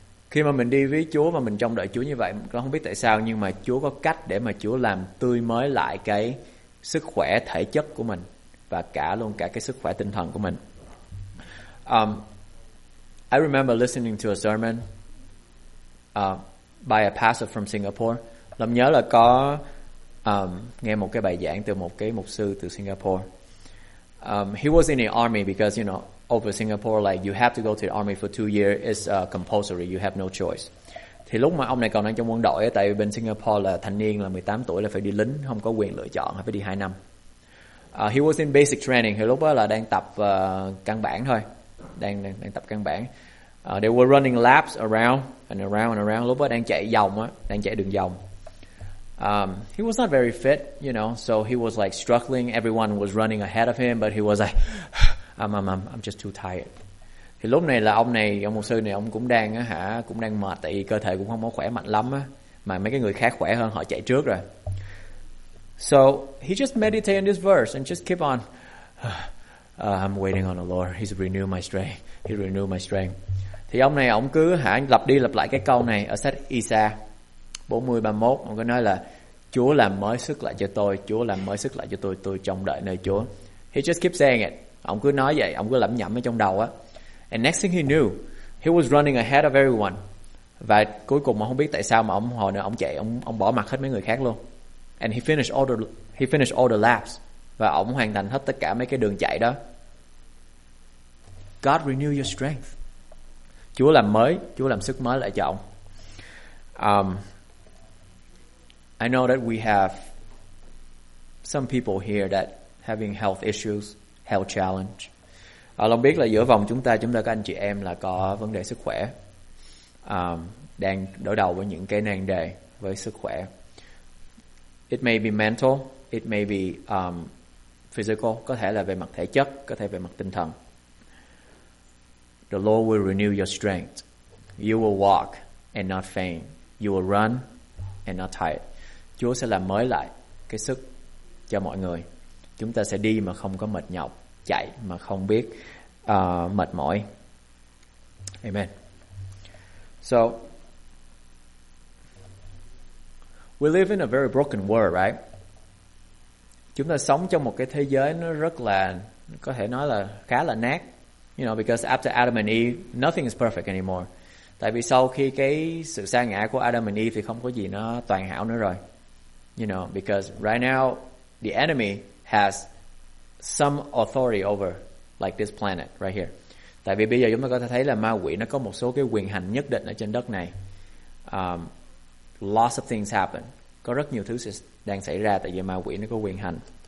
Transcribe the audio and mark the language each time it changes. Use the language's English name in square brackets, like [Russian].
[Vietnamese] Khi mà mình đi với Chúa và mình trông đợi Chúa như vậy, con không biết tại sao nhưng mà Chúa có cách để mà Chúa làm tươi mới lại cái sức khỏe thể chất của mình và cả luôn cả cái sức khỏe tinh thần của mình. [English] I remember listening to a sermon by a pastor from Singapore. [Vietnamese] Lâm nhớ là có nghe một cái bài giảng từ một cái mục sư từ Singapore. [English] He was in the army because, you know, over Singapore, like, you have to go to the army for 2 years. It's compulsory. You have no choice. [Vietnamese] Thì lúc mà ông này còn đang trong quân đội, tại bên Singapore là thanh niên, là 18 tuổi, là phải đi lính, không có quyền lựa chọn, phải đi 2 năm. [English] He was in basic training. [Vietnamese] Thì lúc đó là đang tập căn bản thôi. Đang tập căn bản. [English] They were running laps around and around and around. [Vietnamese] Lúc đó đang chạy vòng á, đang chạy đường vòng. [English] He was not very fit, you know, so he was like struggling. Everyone was running ahead of him, but he was like... I'm just too tired. [Vietnamese] Thì lúc này là ông mục sư này ông cũng đang á hả, cũng đang mệt tại vì cơ thể cũng không có khỏe mạnh lắm á, mà mấy cái người khác khỏe hơn họ chạy trước rồi. [English] So he just meditated on this verse and just keep on. I'm waiting on the Lord. He's renewed my strength. He renewed my strength. [Vietnamese] Thì ông này ông cứ hả lặp đi lặp lại cái câu này ở sách Isaiah 40:31, ông có nói là Chúa làm mới sức lại cho tôi, Chúa làm mới sức lại cho tôi trông đợi nơi Chúa. [English] He just keep saying it. [Vietnamese] Ông cứ nói vậy, ông cứ lẩm nhẩm ở trong đầu á. [English] And next thing he knew, he was running ahead of everyone. [Vietnamese] Và cuối cùng mà không biết tại sao mà ông hồi nữa ông chạy, ông bỏ mặc hết mấy người khác luôn. [English] And he finished all the laps. [Vietnamese] Và ông hoàn thành hết tất cả mấy cái đường chạy đó. [English] God renew your strength. [Vietnamese] Chúa làm mới, Chúa làm sức mới lại cho ông. [English] I know that we have some people here that having health issues, health challenge. [Vietnamese] Long biết là giữa vòng chúng ta có anh chị em là có vấn đề sức khỏe, đang đối đầu với những cái nan đề với sức khỏe. [English] It may be mental, it may be physical, [Vietnamese] có thể là về mặt thể chất, có thể về mặt tinh thần. [English] The Lord will renew your strength. You will walk and not faint. You will run and not tire. [Vietnamese] Chúa sẽ làm mới lại cái sức cho mọi người. Chúng ta sẽ đi mà không có mệt nhọc, chạy mà không biết mệt mỏi. [English] Amen. So, we live in a very broken world, right? [Vietnamese] Chúng ta sống trong một cái thế giới nó rất là, có thể nói là khá là nát. [English] You know, because after Adam and Eve, nothing is perfect anymore. [Vietnamese] Tại vì sau khi cái sự sa ngã của Adam and Eve thì không có gì nó toàn hảo nữa rồi. [English] You know, because right now, the enemy has some authority over, like this planet right here. [Vietnamese] Tại vì bây giờ chúng ta có thể thấy là ma quỷ nó có một số cái quyền hành nhất định ở trên đất này. [English] Lots of things happen. [Vietnamese] Có rất nhiều thứ đang xảy ra tại vì ma quỷ nó có quyền hành.